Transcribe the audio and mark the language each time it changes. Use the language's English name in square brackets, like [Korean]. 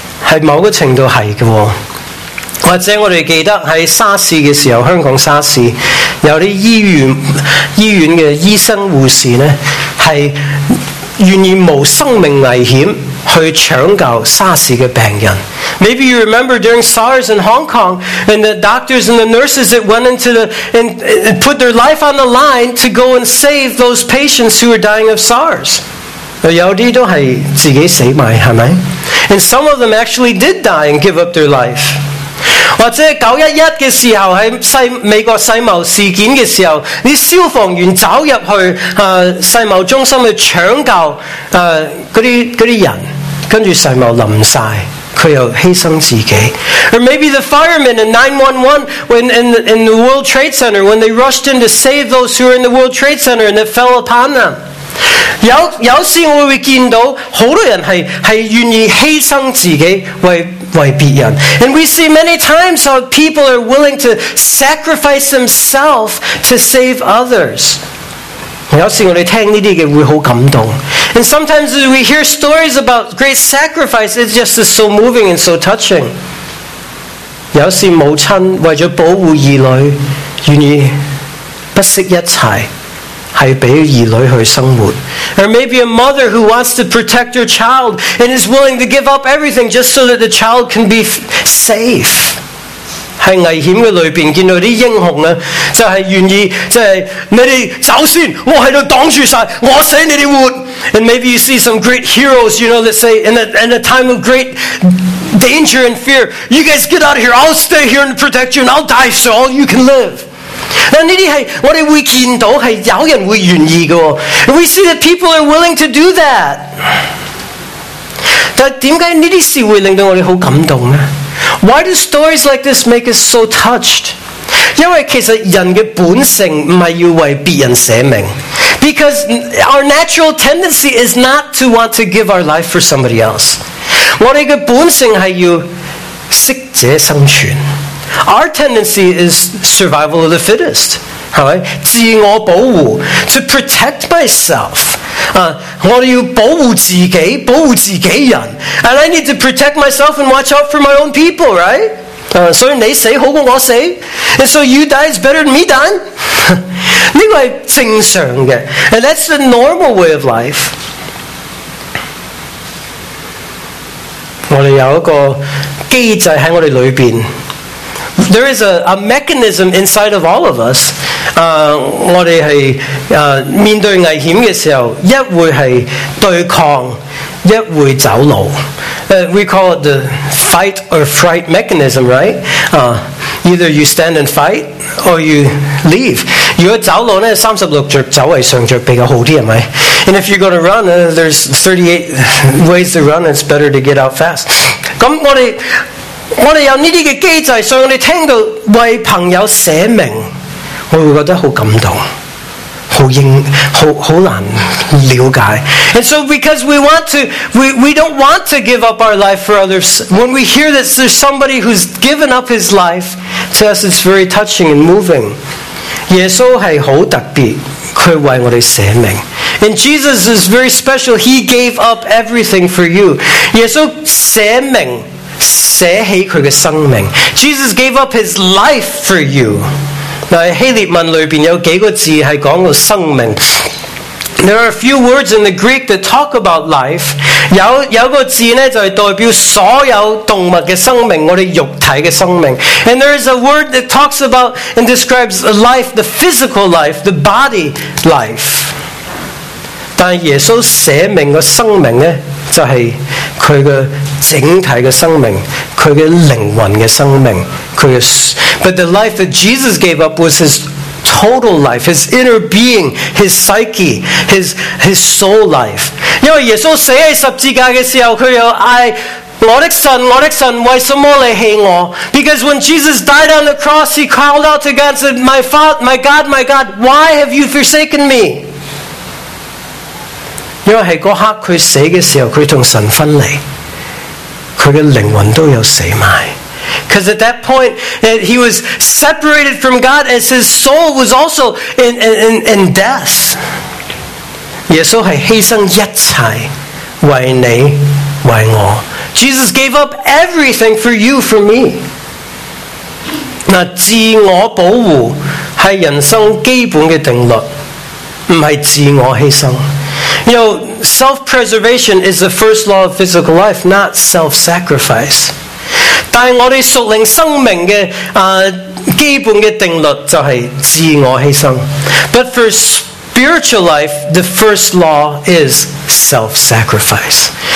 [Cantonese] 在某个程度是的。或者我们记得在沙士的时候，香港沙士有些医院的医生护士呢，是愿意冒生命危险去抢救沙士的病人。 [English] Maybe you remember during SARS in Hong Kong, and the doctors and the nurses that went into the and put their life on the line to go and save those patients who were dying of SARS. [Cantonese] 有些都是自己死埋，是吗？ [English] And some of them actually did die and give up their life. [Cantonese] 或者911的时候，在美国世贸事件的时候，那些消防员走入去世贸中心去抢救那些人，跟着世贸淋晒，他又牺牲自己。 [English] Or maybe the firemen in 911 when in the World Trade Center, when they rushed in to save those who were in the World Trade Center and it fell upon them. [Cantonese] 有时我会见到很多人是愿意牺牲自己 为别人。 [English] And we see many times how people are willing to sacrifice themselves to save others. [Cantonese] 有时我们听这些会很感动。 [English] And sometimes we hear stories about great sacrifice, it's just so moving and so touching. [Cantonese] 有时母亲为了保护儿女愿意不惜一切是给儿女去生活。 [English] Or maybe a mother who wants to protect her child and is willing to give up everything just so that the child can be safe. [Cantonese] 在危险的里面见到的英雄呢，就是愿意，就是你们走先，我在这里挡住晒，我死你们活。 [English] And maybe you see some great heroes, you know, that say in a time of great danger and fear, you guys get out of here, I'll stay here and protect you and I'll die so all you can live. [Cantonese] 那这些是我们会见到是有人会愿意的。 [English] We see that people are willing to do that. [Cantonese] 但为什么这些事会令到我们很感动呢？ [English] Why do stories like this make us so touched? [Cantonese] 因为其实人的本性不是要为别人舍命。 [English] Because our natural tendency is not to want to give our life for somebody else. [Cantonese] 我们的本性是要适者生存。 [English] Our tendency is survival of the fittest. [Cantonese] 自我保护 [English] to protect myself. [Cantonese] 我要保护自己，保护自己人。 [English] And I need to protect myself and watch out for my own people, right? [Cantonese] 所以你死好过我死 [English] ，and so you die is better than me dying. [Cantonese] 呢个系正常嘅 [English] ，and that's the normal way of life. [Cantonese] 我哋有一个机制喺我哋里边 [English] ，there is a mechanism inside of all of us. [Cantonese] 我哋系面对危险嘅时候，一会系对抗，一会走路。 [English] We call it the fight or flight mechanism, right? Either you stand and fight or you leave. [Cantonese] 如果走路呢，三十六隻走位上隻比較好啲，係咪？ [English] And if you're going to run, there's 38 ways to run. It's better to get out fast. [Cantonese] 咁我哋有呢啲嘅機制，所以我哋聽到為朋友捨命，我會覺得好感動。好难了解。 [English] And so because we want to, we don't want to give up our life for others, when we hear that there's somebody who's given up his life, to us it's very touching and moving. [Cantonese] 耶稣是很特别，他为我们舍命。 [English] And Jesus is very special, he gave up everything for you. [Cantonese] 耶稣舍命，舍起他的生命。 [English] Jesus gave up his life for you. [Cantonese] 在希列文里面有几个字是讲到生命。 [English] There are a few words in the Greek that talk about life. [Cantonese] 有个字呢就是代表所有动物的生命，我们肉体的生命。 [English] And there is a word that talks about and describes life, the physical life, the body life. [Cantonese] 但耶稣舍命的生命呢，就是他的整体的生命，他的灵魂的生命。 [English] But the life that Jesus gave up was his total life, his inner being, his psyche, his soul life. [Cantonese] 因为耶稣死在十字架的时候，他有嗌我的神，我的神，为什么你弃我？ [English] Because when Jesus died on the cross, he called out to God and said, "My Father, my God, my God, why have you forsaken me?" [Cantonese] 因为系嗰刻佢死嘅时候，佢同神分离，佢嘅灵魂都有死埋。 [English] Because at that point, he was separated from God as his soul was also in death. [Cantonese] 耶稣是牺牲一切为你为我。 [English] Jesus gave up everything for you, for me. [Cantonese] 那自我保护是人生基本的定律，不是自我牺牲。 [English] You know, self-preservation is the first law of physical life, not self-sacrifice. [Cantonese] 但我哋属灵生命嘅基本嘅定律就系自我牺牲。 [English] But for spiritual life, the first law is self-sacrifice.